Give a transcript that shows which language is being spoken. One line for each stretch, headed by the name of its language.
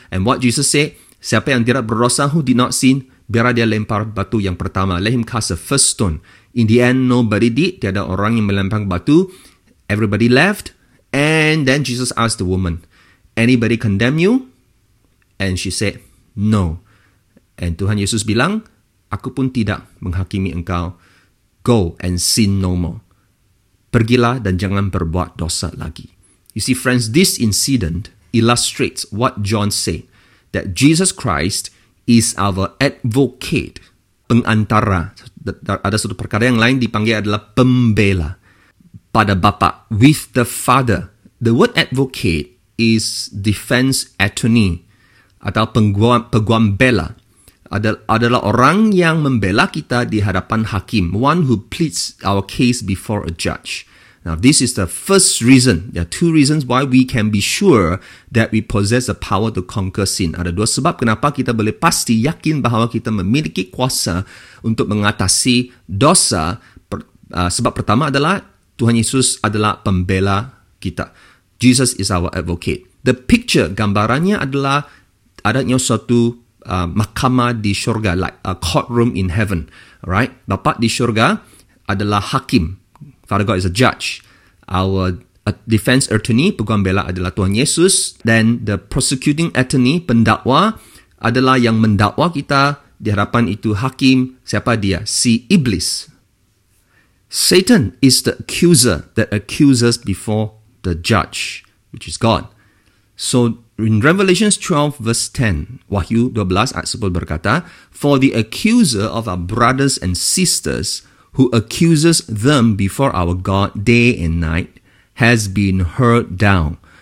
English: And what Jesus say,
Malay: siapa yang tidak berdosa,
English: who did not sin,
Malay: biar dia lempar batu yang pertama.
English: Let him cast the first stone. In the end, nobody did.
Malay: Tiada orang yang melempar batu.
English: Everybody left. And then Jesus asked the woman, anybody condemn you? And she said, no.
Malay: And Tuhan Yesus bilang, aku pun tidak menghakimi engkau.
English: Go and sin no more.
Malay: Pergilah dan jangan berbuat dosa lagi.
English: You see, friends, this incident illustrates what John said, that Jesus Christ is our advocate, pengantara.
Malay: Ada satu perkara yang lain dipanggil adalah pembela pada Bapa,
English: with the Father. The word advocate is defense attorney
Malay: atau peguam bela. Adalah orang yang membela kita di hadapan hakim,
English: one who pleads our case before a judge. Now, this is the first reason. There are two reasons why we can be sure that we possess the power to conquer sin.
Malay: Ada dua sebab kenapa kita boleh pasti yakin bahawa kita memiliki kuasa untuk mengatasi dosa. Sebab pertama adalah Tuhan Yesus adalah pembela kita.
English: Jesus is our advocate. The picture,
Malay: gambarannya adalah adanya suatu mahkamah di syurga,
English: like a courtroom in heaven, right?
Malay: Bapa di syurga adalah hakim.
English: Father God is a judge. Our defense attorney,
Malay: peguam bela, adalah Tuhan Yesus.
English: Then the prosecuting attorney, pendakwa,
Malay: adalah yang mendakwa kita di hadapan itu hakim, siapa dia? Si iblis.
English: Satan is the accuser that accuses before the judge, which is God. So in Revelation 12 verse 10,
Malay: Wahyu 12 ayat 10 berkata,
English: "For the accuser of our brothers and sisters who accuses them before our God day and night has been hurled down."